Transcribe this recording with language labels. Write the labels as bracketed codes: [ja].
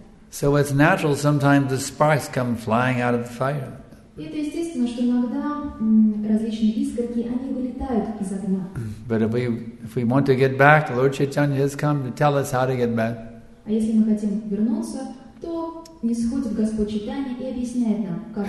[en] So it's natural sometimes the sparks come flying out of the fire. [ru] И это естественно, что иногда различные искорки, они вылетают из огня. [en] But if we want to get back, Lord Chaitanya has come to tell us how to get back. [ru] А если мы хотим вернуться, то нисходит Господь Чайтанья и объясняет нам, как.